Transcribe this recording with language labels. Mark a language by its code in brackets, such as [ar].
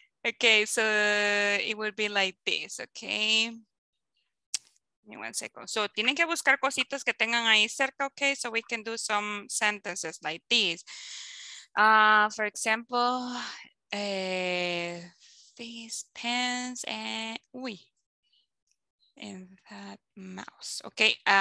[en] Okay, so it will be like this, okay? One second. [es] So, tienen que buscar cositas que tengan ahí cerca, okay? [en] So, we can do some sentences like these. For example, these pens and we and that mouse, okay?